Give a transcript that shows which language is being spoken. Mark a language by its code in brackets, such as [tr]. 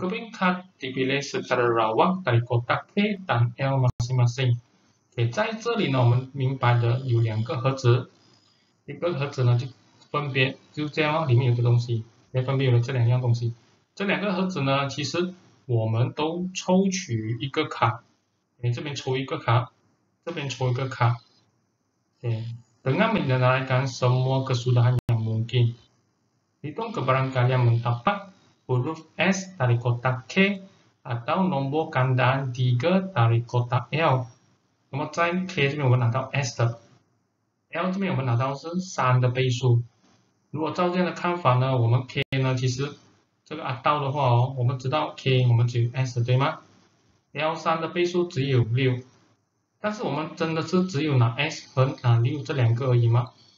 [ms] Keping kad dipilih secara rawak dari kotak K dan L masing-masing. [zh] Okay, 在这里呢我们明白的有两个盒子，一个盒子呢就分别就这样，里面有个东西，分别有了这两样东西。这两个盒子呢其实我们都抽取一个卡，你这边抽一个卡，这边抽一个卡。 [ms] Okay. Dengan menyenaraikan semua kesudahan yang mungkin. Hitung keberangkalian mendapat huruf S dari kotak K atau nombor kandaan 3 dari kotak L. [zh] 那么在 K 这边我们拿到 S 的， L 这边我们拿到是3的倍数。如果照这样的看法呢，我们 K 呢其实这个 atau 的话哦，我们知道 K 我们只有 S 对吗？ L 3的倍数只有6。但是我们真的是只有拿 S 和拿6这两个而已吗？